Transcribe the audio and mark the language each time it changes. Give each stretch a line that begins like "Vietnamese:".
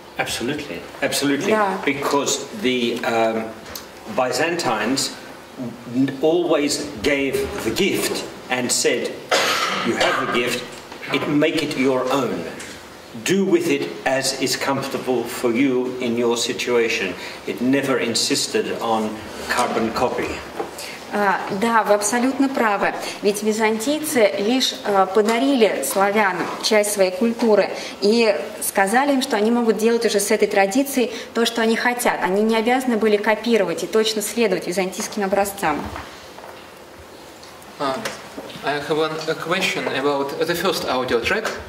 English: Absolutely, absolutely. Yeah. Because the Byzantines always gave the gift and said, "You have the gift; it make it your own. Do with it as is comfortable for you in your situation." It never insisted on carbon copy.
Russian: Да, вы абсолютно правы. Ведь византийцы лишь подарили славянам часть своей культуры и сказали им, что они могут делать уже с этой традицией то, что они хотят. Они не обязаны были копировать и точно следовать византийским образцам.
English: I have a question about the first audio track.